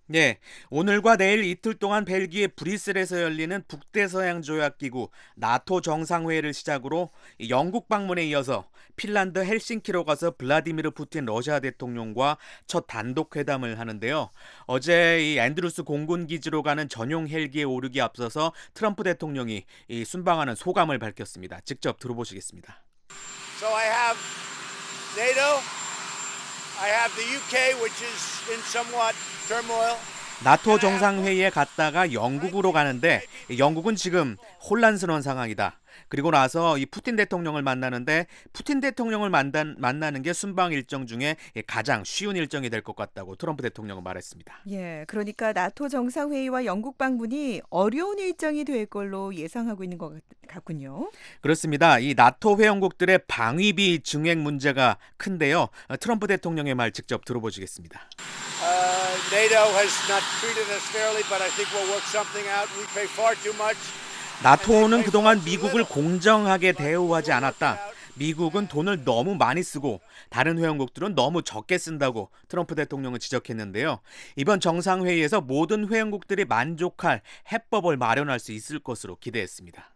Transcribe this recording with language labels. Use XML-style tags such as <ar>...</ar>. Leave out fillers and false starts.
<ko>네, 오늘과 내일 이틀 동안 벨기에 브뤼셀에서 열리는 북대서양조약기구 나토 정상회의를 시작으로 영국 방문에 이어서 핀란드 헬싱키로 가서 블라디미르 푸틴 러시아 대통령과 첫 단독 회담을 하는데요. 어제 이 앤드루스 공군기지로 가는 전용 헬기에 오르기 앞서서 트럼프 대통령이 이 순방하는 소감을 밝혔습니다. 직접 들어보시겠습니다.</ko> <en>So I have NATO, I have the UK, which is in somewhat turmoil.</en> <ko>나토 정상회의에 갔다가 영국으로 가는데 영국은 지금 혼란스러운 상황이다. 그리고 나서 이 푸틴 대통령을 만나는데 푸틴 대통령을 만나는 게 순방 일정 중에 가장 쉬운 일정이 될 것 같다고 트럼프 대통령은 말했습니다. 예, 그러니까 나토 정상회의와 영국 방문이 어려운 일정이 될 걸로 예상하고 있는 것 같군요. 그렇습니다. 이 나토 회원국들의 방위비 증액 문제가 큰데요. 트럼프 대통령의 말 직접 들어보시겠습니다.</ko> <en>NATO has not treated us fairly, but I think we'll work something out. We pay far too much.</en> <ko>나토는 그동안 미국을 공정하게 대우하지 않았다. 미국은 돈을 너무 많이 쓰고 다른 회원국들은 너무 적게 쓴다고 트럼프 대통령은 지적했는데요. 이번 정상회의에서 모든 회원국들이 만족할 해법을 마련할 수 있을 것으로 기대했습니다.</ko>